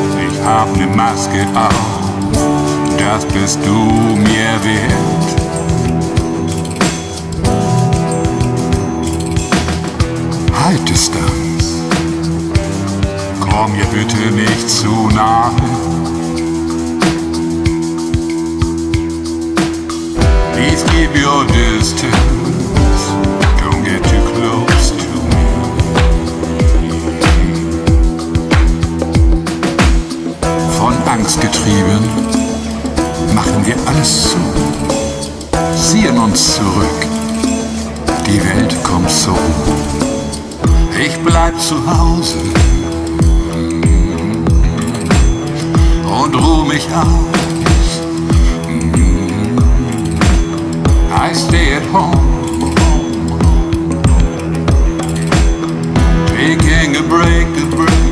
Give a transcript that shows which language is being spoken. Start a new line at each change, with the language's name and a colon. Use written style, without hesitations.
German: Ich hab ne Maske auf, das bist du mir wert. Halt Distanz, komm mir bitte nicht zu nahe.
English: Please keep your distance, don't get too close.
German: Angst getrieben, machen wir alles zu, ziehen uns zurück, die Welt kommt so. Ich bleib zu Hause und ruh mich aus.
English: I stay at home, taking a break, a break.